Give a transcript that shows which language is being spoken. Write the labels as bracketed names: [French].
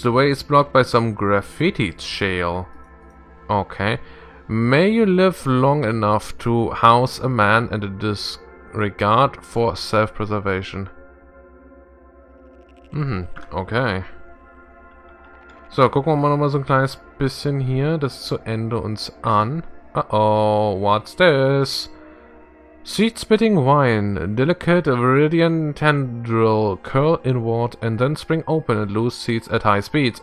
[English] The way is blocked by some graffiti shale. Okay. May you live long enough to house a man and a disregard for self-preservation. Mhm. Okay. [German] So, gucken wir mal nochmal so ein kleines bisschen hier, das zu Ende uns an. [English] Uh-oh, what's this? Seed-spitting wine, delicate viridian tendril, curl inward and then spring open and loose seeds at high speeds.